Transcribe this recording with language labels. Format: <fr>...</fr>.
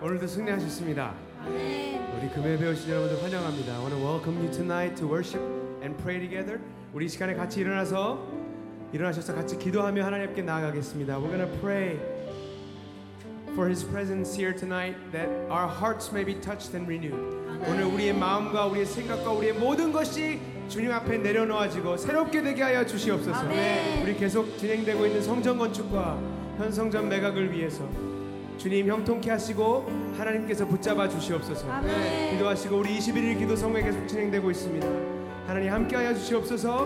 <ko>오늘도 승리하셨습니다. 아멘. 우리 금요일 배우신 여러분들 환영합니다.</ko> <en>I want to welcome you tonight to worship and pray together.</en> <ko>우리 이 시간에 같이 일어나셔서 같이 기도하며 하나님께 나아가겠습니다.</ko> <en>We're going to pray for His presence here tonight that our hearts may be touched and renewed.</en> <ko>아멘. 오늘 우리의 마음과 우리의 생각과 우리의 모든 것이 주님 앞에 내려놓아지고 새롭게 되게 하여 주시옵소서. 아멘. 우리 계속 진행되고 있는 성전 건축과 현성전 매각을 위해서 주님 형통케 하시고 하나님께서 붙잡아 주시옵소서. 아멘. 기도하시고 우리 21일 기도 성회 계속 진행되고 있습니다. 하나님 함께 하여 주시옵소서.</ko>